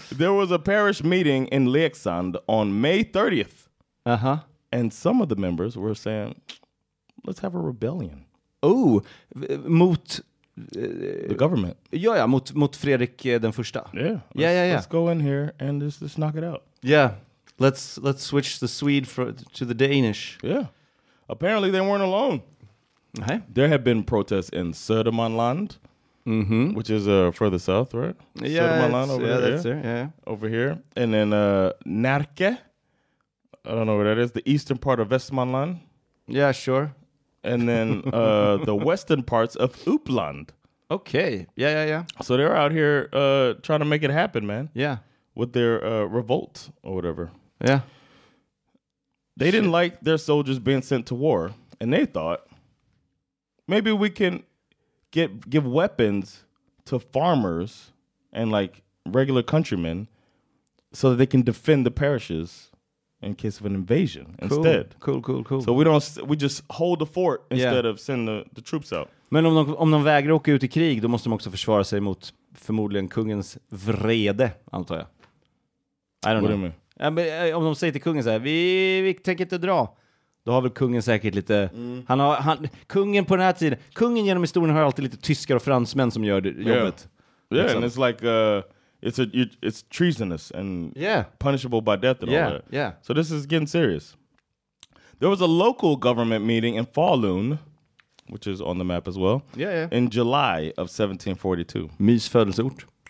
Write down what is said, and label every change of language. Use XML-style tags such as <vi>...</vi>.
<en>There was a parish meeting in Leksand on May 30th. Uh-huh. And some of the members were saying, let's have a rebellion.</en> <sv>Oh, mot...</sv> <en>the government.</en> <sv>Ja, mot Fredrik den första.</sv> <en>Yeah. Let's go in here and just knock it out. Yeah. Let's switch the Swede to the Danish. Yeah. Apparently they weren't alone. Okay. There have been protests in Södermanland, mm-hmm. which is further south, right? Yeah, Södermanland over yeah, there. That's there. Yeah. Over here. And then Närke. I don't know where that is. The eastern part of Västmanland. Yeah, sure. And then the western parts of Uppland. Okay. Yeah. So they're out here trying to make it happen, man. Yeah. With their revolt or whatever. Yeah. They didn't like their soldiers being sent to war. And they thought, maybe we can give weapons to farmers and like regular countrymen so that they can defend the parishes. In case of an invasion instead. Cool. So we just hold the fort instead of send the troops out.</en> <sv>Men om de vägrar åka ut i krig, då måste de också försvara sig mot förmodligen kungens vrede, antar jag.</sv> <en>I don't know.</en> <sv>Ja, men, om de säger till kungen så här, vi tänker inte dra. Då har väl kungen säkert lite... Mm. Kungen på den här tiden... Kungen genom historien har alltid lite tyskar och fransmän som gör jobbet.</sv> <en>Yeah, liksom. And it's like... It's treasonous and punishable by death and all that. Yeah. So this is getting serious. There was a local government meeting in Falun, which is on the map as well. Yeah. In July of 1742.</en> <sv>Mys födelseort.</sv>